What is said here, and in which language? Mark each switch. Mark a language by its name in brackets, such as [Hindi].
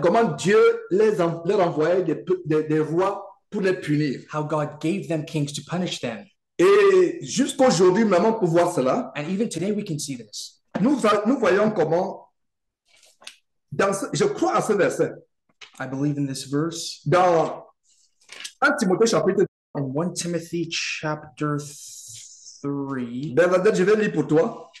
[French] Comment Dieu leur envoyait des rois pour les punir. [English] How God gave them kings to punish them. [French] Et jusqu'aujourd'hui, même on peut voir cela. [English] And even today we can see this. [French] Nous voyons comment, je crois à ce verset. [English] I believe in this verse. [French] Dans 1 Timothée chapitre [English] 3. In 1 Timothy chapter 3. [French] Bernadette, je vais lire pour toi.